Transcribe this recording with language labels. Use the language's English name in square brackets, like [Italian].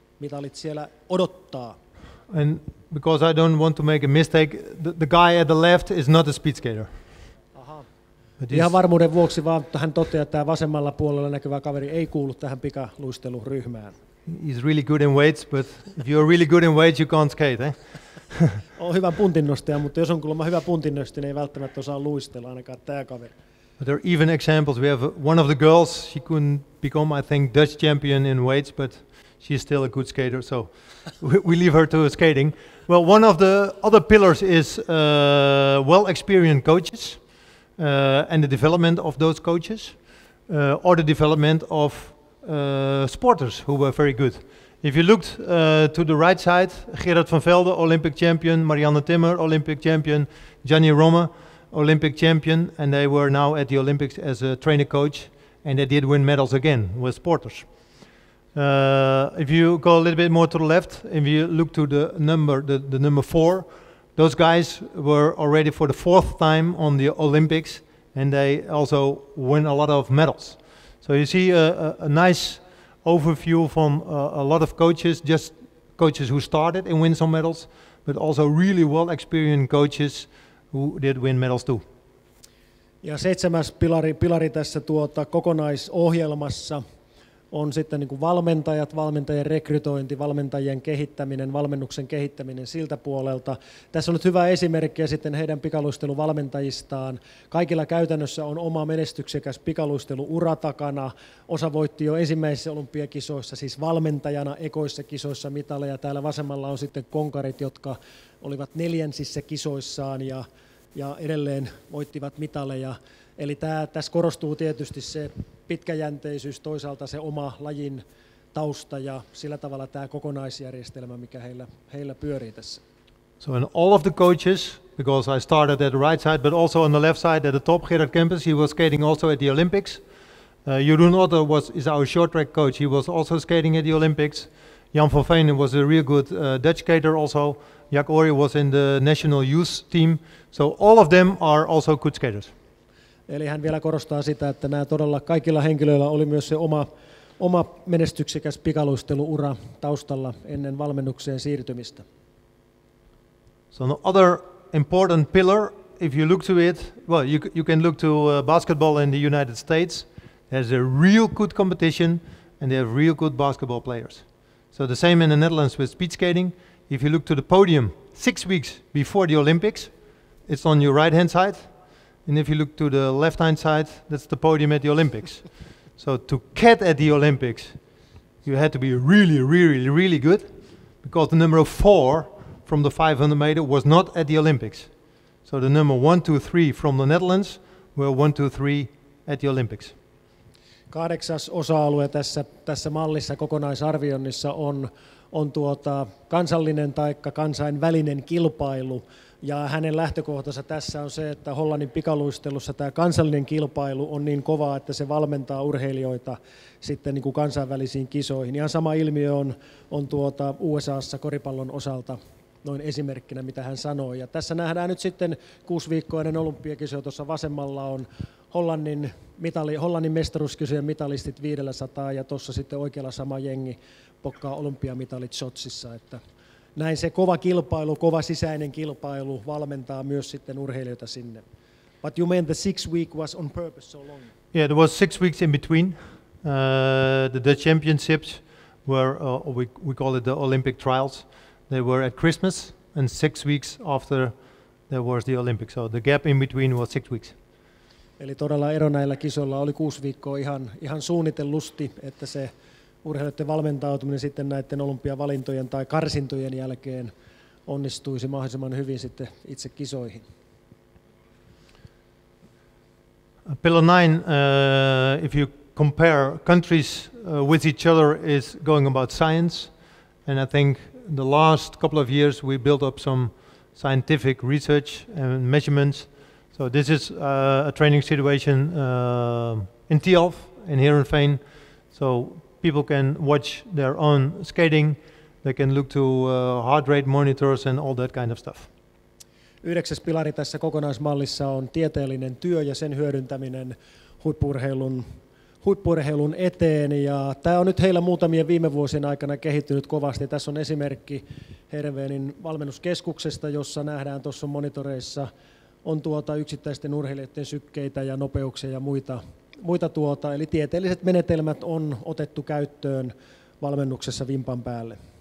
[Finnish] Mitalit siellä odottaa. [English] And because I don't want to make a mistake, the guy at the left is not a speed skater. [Finnish] Ihan varmuuden vuoksi vaan hän toteaa, että vasemmalla puolella näkyvä kaveri ei kuulu tähän pikaluisteluryhmään. [English] He's really good in weights, but if you're really good in weights, you can't skate, eh? [Finnish] On hyvä puntinnostaja, mutta jos on kuulemma hyvä puntinnostaja, niin ei välttämättä osaa luistella ainakaan tämä kaveri. [English] But there are even examples. We have one of the girls, she couldn't become, I think, Dutch champion in weights, but she's still a good skater, so we leave her to skating. Well, one of the other pillars is well-experienced coaches and the development of those coaches, or the development of sporters who were very good. If you looked to the right side, Gerard van Velde, Olympic champion, Marianne Timmer, Olympic champion, Gianni Romme, Olympic champion, and they were now at the Olympics as a trainer coach, and they did win medals again with sporters. If you go a little bit more to the left, if you look to the number four, those guys were already for the fourth time on the Olympics, and they also win a lot of medals. So you see a nice overview from a lot of coaches, just coaches who started and win some medals, but also really well-experienced coaches who did win medals too. [Finnish] Ja 7. pilari tässä kokonaisohjelmassa on sitten niin kuin valmentajat, valmentajien rekrytointi, valmentajien kehittäminen, valmennuksen kehittäminen siltä puolelta. Tässä on nyt hyvä esimerkki sitten heidän pikaluisteluvalmentajistaan. Kaikilla käytännössä on oma menestyksekäs pikaluisteluura takana. Osa voitti jo ensimmäisissä olympiakisoissa, siis valmentajana ekoissa kisoissa mitaleja. Täällä vasemmalla on sitten konkarit, jotka olivat neljänsissä kisoissaan ja edelleen voittivat mitaleja. Eli tässä korostuu tietysti se pitkäjänteisyys, toisaalta se oma lajin tausta ja sillä tavalla tämä kokonaisjärjestelmä, mikä heillä pyörii tässä. [English] So in all of the coaches, because I started at the right side, but also on the left side at the top, Gerard Kempis, he was skating also at the Olympics. Jeroen Otto is our short track coach, he was also skating at the Olympics. Jan van Veen was a real good Dutch skater also. Jack Ory was in the national youth team. So all of them are also good skaters. [Finnish] Eli hän vielä korostaa sitä, että nämä todella kaikilla henkilöillä oli myös se oma menestyksekäs pikaluisteluura taustalla ennen valmennukseen siirtymistä. [English] So another important pillar, if you look to it, well, you can look to basketball in the United States. There's a real good competition and they have real good basketball players. So the same in the Netherlands with speed skating. If you look to the podium 6 weeks before the Olympics, it's on your right-hand side. And if you look to the left-hand side, that's the podium at the Olympics. So to get at the Olympics, you had to be really, really, really good, because the number of four from the 500 meter was not at the Olympics. So the number 1, 2, 3 from the Netherlands were 1, 2, 3 at the Olympics. [Finnish] 8. Osa-alue tässä mallissa kokonaisarvioinnissa on kansallinen taikka kansainvälinen kilpailu. Ja hänen lähtökohtansa tässä on se, että Hollannin pikaluistelussa tämä kansallinen kilpailu on niin kovaa, että se valmentaa urheilijoita sitten niin kuin kansainvälisiin kisoihin. Ihan sama ilmiö on USA:ssa koripallon osalta noin esimerkkinä, mitä hän sanoi. Ja tässä nähdään nyt sitten 6-viikkoinen olympiakisoja. Tuossa vasemmalla on Hollannin mestaruuskisojen mitalistit 500, ja tuossa sitten oikealla sama jengi pokkaa olympiamitalit Sotsissa, että näin se kova kilpailu, kova sisäinen kilpailu valmentaa myös sitten urheilijoita sinne. [English] But you meant the 6 week was on purpose so long? Yeah, there was 6 weeks in between. The Dutch championships were, we call it the Olympic trials. They were at Christmas, and 6 weeks after there was the Olympics. So the gap in between was 6 weeks. [Finnish] Eli todella ero näillä kisoilla oli 6 viikkoa ihan suunnitellusti, että se urheilijoiden valmentautuminen sitten näiden olympiavalintojen tai karsintojen jälkeen onnistuisi mahdollisimman hyvin sitten itse kisoihin. [English] Pillar 9, if you compare countries with each other, is going about science. And I think the last couple of years we built up some scientific research and measurements. So this is a training situation in Tielf, in Heerenveen. So people can watch their own skating, they can look to heart rate monitors and all that kind of stuff. [Finnish] 9. pilari tässä kokonaismallissa on tieteellinen työ ja sen hyödyntäminen huippu-urheilun eteen. Ja tämä on nyt heillä muutamien viime vuosien aikana kehittynyt kovasti. Tässä on esimerkki Heerenveenin valmennuskeskuksesta, jossa nähdään tuossa monitoreissa on yksittäisten urheilijoiden sykkeitä ja nopeuksia ja muita eli tieteelliset menetelmät on otettu käyttöön valmennuksessa vimpan päälle.